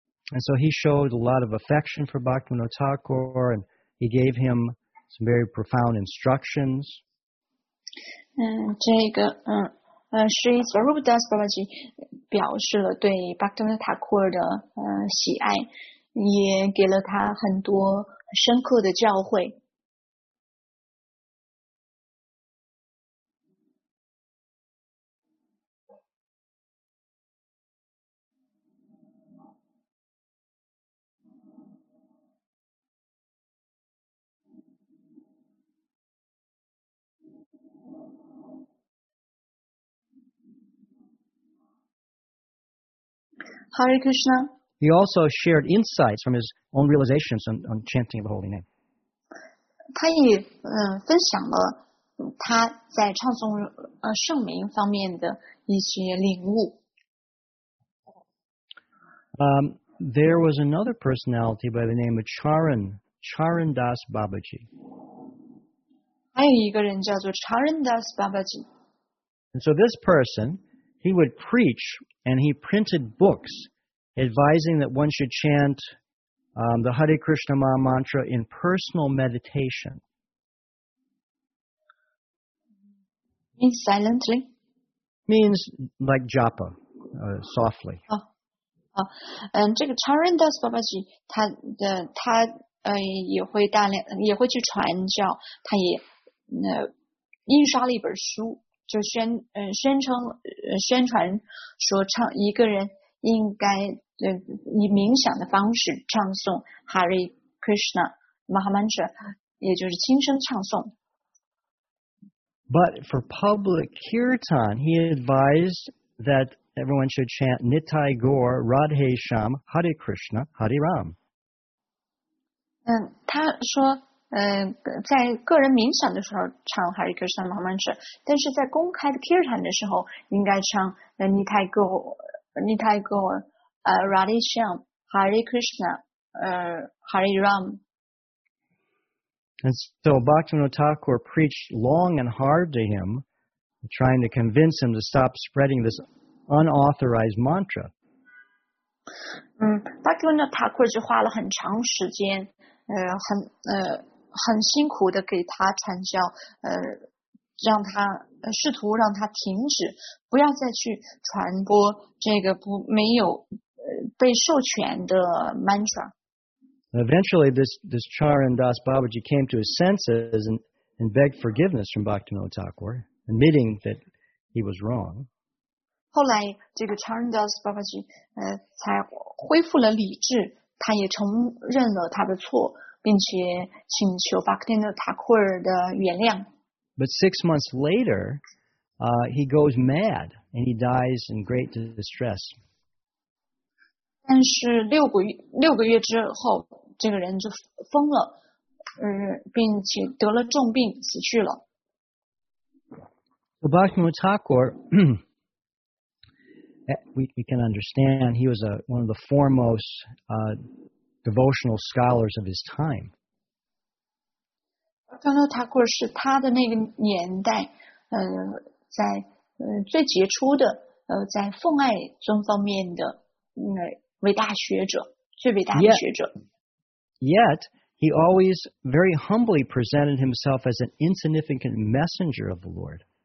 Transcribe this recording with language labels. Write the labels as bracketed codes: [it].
[en] And so he showed a lot of affection for Bhaktivinoda Thakur and he gave him some very profound instructions. [zh] 这个Sri Swarup Das Babaji 表示了对 Bhaktivinoda Thakur 的喜爱，也给了他很多深刻的教诲。 [sa] Hare Krishna。 [en] He also shared insights from his own realizations on chanting of the holy name. [zh] 他也分享了他在唱诵圣名方面的一些领悟。 [en] There was another personality by the name of Charan Das Babaji. [zh] 还有一个人叫做 Charan Das Babaji. [en] And so this person, he would preach and he printed books. Advising that one should chant the Hare Krishna Maha Mantra in personal meditation. Means silently? Means like japa, softly. [zh] Oh. 这个 Charan Das Babaji, 他也会去传教，他也印刷了一本书，就宣传说唱一个人应该以冥想的方式唱诵 Hare Krishna Mahamantra， 也就是轻声唱诵。 [en] But for public kirtan, he advised that everyone should chant Nitai Gaur Radhe Shyam Hare Krishna Hare Ram. [zh] 他说，在个人冥想的时候唱 Hare Krishna Mahamantra， 但是在公开的 kirtan 的时候应该唱 Nitai Gaur Radhe Shyam Hare Krishna Hare Ram。 [en] And so Bhaktivinoda Thakur preached long and hard to him, trying to convince him to stop spreading this unauthorized mantra. [zh] Bhaktivinoda Thakur 就花了很长时间，很辛苦的给他传教，让他试图让他停止，不要再去传播这个不没有被授权的 mantra。 [en] Eventually, this Charan Das Babaji came to his senses and begged forgiveness from Bhaktivinoda Thakur, admitting that he was wrong. [zh] 后来，这个 Charan Das Babaji 才恢复了理智，他也承认了他的错，并且请求 Bhaktivinoda Thakur 的原谅。 [en] But 6 months later, he goes mad and he dies in great distress. [zh] 但是六个月之后，这个人就疯了，并且得了重病，死去了。 [en] Bhaktivinoda Thakur, we can understand he was one of the foremost devotional scholars of his time. [zh] Bhaktivinoda Thakur 是他的那个年代，在最杰出的，在奉爱宗方面的，伟大学者，最伟大的学者。 [en] Yet, he always very humbly presented himself as an insignificant messenger of the Lord.